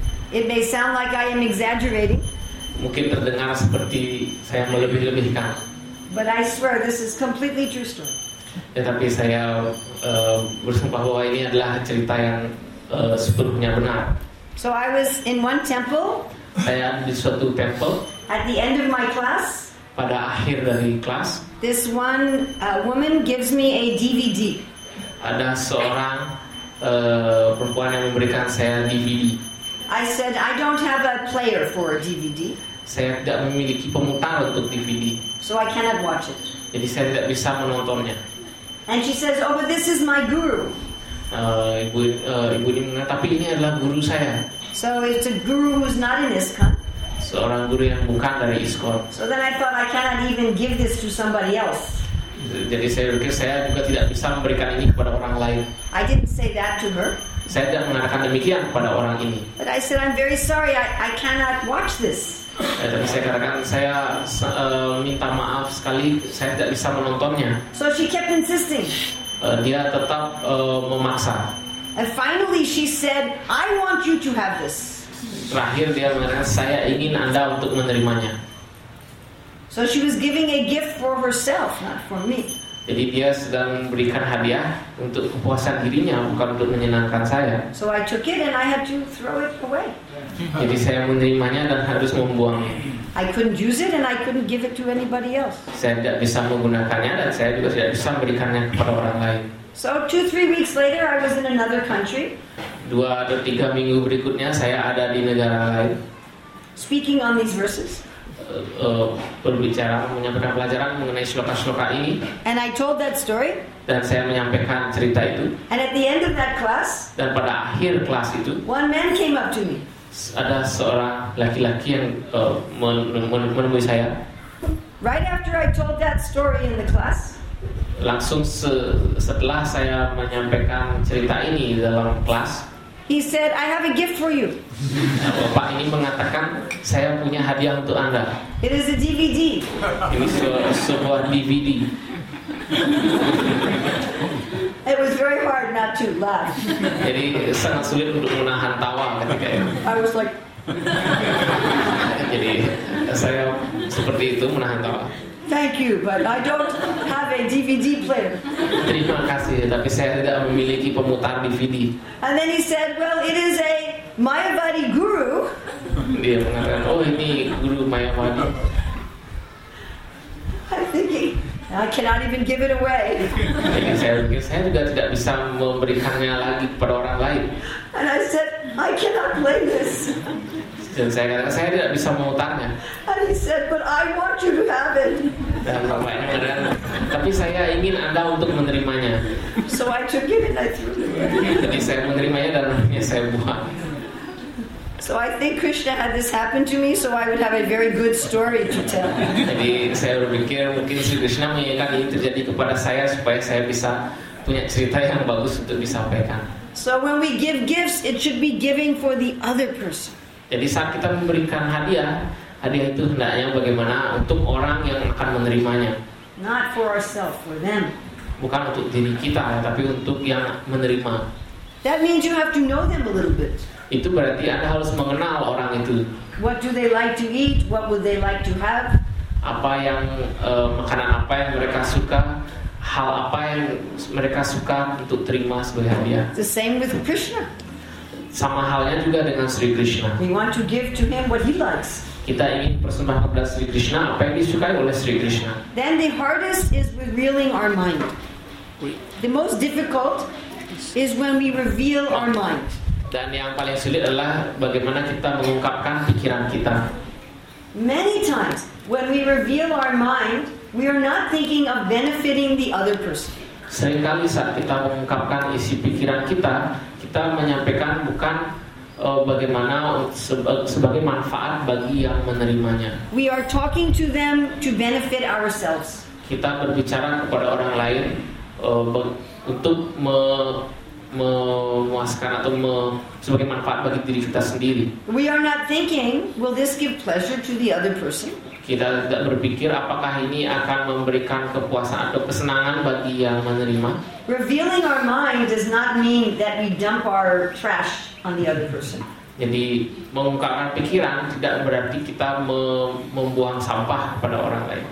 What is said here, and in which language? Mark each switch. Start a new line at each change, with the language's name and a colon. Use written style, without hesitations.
English: It may sound like I am exaggerating.
Indonesian: Mungkin terdengar seperti saya melebih-lebihkan.
English: But I swear this is completely true story.
Indonesian: Ya, tapi saya bersumpah bahwa ini adalah cerita yang sepenuhnya benar.
English: So I was in one temple.
Indonesian: Saya di suatu temple.
English: At the end of my class.
Indonesian: Pada akhir dari kelas.
English: This one woman gives me a DVD.
Indonesian: Ada seorang perempuan yang memberikan saya DVD.
English: I said I don't have a player for a DVD.
Indonesian: Saya tidak memiliki pemutar untuk DVD.
English: So I cannot watch it.
Indonesian: Jadi saya tidak bisa menontonnya.
English: And she says, "Oh, but this is my guru."
Indonesian: Ibu ini mengatakan, "Tapi ini adalah guru saya."
English: So it's a guru who's not in ISKCON.
Indonesian: Seorang guru yang bukan dari ISKCON.
English: So then I thought I cannot even give this to somebody else.
Indonesian: Jadi saya berpikir saya juga tidak bisa memberikan ini kepada orang lain.
English: I didn't say that to her.
Indonesian: Saya tidak mengatakan demikian kepada orang ini.
English: But I said, "I'm very sorry. I cannot watch this."
Indonesian: Tapi saya katakan saya minta maaf sekali, saya tidak bisa menontonnya.
English: So she kept insisting.
Indonesian: Dia tetap memaksa.
English: And finally she said, "I want you to have this."
Indonesian: Terakhir dia mengatakan, "Saya ingin Anda untuk menerimanya."
English: So she was giving a gift for herself, not for me.
Indonesian: Jadi dia sedang memberikan hadiah untuk kepuasan dirinya, bukan untuk menyenangkan saya.
English: So I took it and I had to throw it away.
Indonesian: Jadi saya menerimanya dan harus membuangnya.
English: I couldn't use it and I couldn't give it to anybody else.
Indonesian: Saya tidak bisa menggunakannya dan saya juga tidak bisa memberikannya kepada orang lain.
English: So 2-3 weeks later I was in another country.
Indonesian: 2 atau 3 minggu berikutnya saya ada di negara lain.
English: Speaking on these verses.
Indonesian: Berbicara menyampaikan pelajaran mengenai sloka-sloka ini.
English: And I told that story.
Indonesian: Dan saya menyampaikan cerita itu.
English: And at the end of that class.
Indonesian: Dan pada akhir kelas itu.
English: One man came up to me.
Indonesian: Ada seorang laki-laki yang menemui saya.
English: Right after I told that story in the class.
Indonesian: Langsung setelah saya menyampaikan cerita ini dalam kelas.
English: He said, "I have a gift for you."
Indonesian: Bapak ini mengatakan, "Saya punya hadiah untuk Anda."
English: It is a DVD.
Indonesian: Ini sebuah DVD.
English: It was very hard not to laugh.
Indonesian: Jadi sangat sulit untuk menahan tawa ketika itu.
English: I was like.
Indonesian: Jadi saya seperti itu menahan tawa.
English: Thank you, but I don't have a DVD player.
Indonesian: Terima kasih, tapi saya tidak memiliki pemutar DVD.
English: And then he said, "Well, it is a Mayavadi guru."
Indonesian: Dia mengatakan, "Oh, ini guru Mayavadi."
English: I'm thinking, I cannot even give it away.
Indonesian: Jadi saya juga tidak bisa memberikannya lagi kepada orang lain.
English: And I said, "I cannot play this."
Indonesian: Dan saya katakan saya tidak bisa memutarnya.
English: And he said, "But I want you to have it."
Indonesian: Dan bapak ini mengatakan, "Tapi saya ingin Anda untuk menerimanya."
English: So I took it and I threw it.
Indonesian: Jadi saya menerimanya dan saya buang.
English: So I think Krishna had this happen to me so I would have a very good story to tell.
Indonesian: Jadi saya berpikir mungkin Sri Krishna menginginkan ini terjadi kepada saya supaya saya bisa punya cerita yang bagus untuk disampaikan.
English: So when we give gifts, it should be giving for the other person.
Indonesian: Jadi saat kita memberikan hadiah, hadiah itu hendaknya bagaimana untuk orang yang akan menerimanya.
English: Not for ourselves, for them.
Indonesian: Bukan untuk diri kita, tapi untuk yang menerima.
English: That means you have to know them a little bit.
Indonesian: Itu berarti Anda harus mengenal orang itu.
English: What do they like to eat? What would they like to have?
Indonesian: Apa yang makanan apa yang mereka suka? Hal apa yang mereka suka untuk terima sebagai hadiah?
English: The same with Krishna.
Indonesian: Sama halnya juga dengan Sri Krishna.
English: We want to give to him what he likes.
Indonesian: Kita ingin persembahkan kepada Sri Krishna apa yang disukai oleh Sri Krishna.
English: Then the hardest is revealing our mind. The most difficult is when we reveal our mind.
Indonesian: Dan yang paling sulit adalah bagaimana kita mengungkapkan pikiran kita.
English: Many times when we reveal our mind, we are not thinking of benefiting the other person.
Indonesian: Seringkali saat kita mengungkapkan isi pikiran kita, kita menyampaikan bukan bagaimana sebagai manfaat bagi yang menerimanya.
English: We are talking to them to benefit ourselves.
Indonesian: Kita berbicara kepada orang lain untuk memuaskan atau sebagai manfaat bagi diri kita sendiri.
English: We are not thinking, will this give pleasure to the other person?
Indonesian: Kita tidak berpikir apakah ini akan memberikan kepuasan atau kesenangan bagi yang menerima.
English: Revealing our mind does not mean that we dump our trash on the other person.
Indonesian: Jadi mengungkapkan pikiran tidak berarti kita membuang sampah pada orang lain.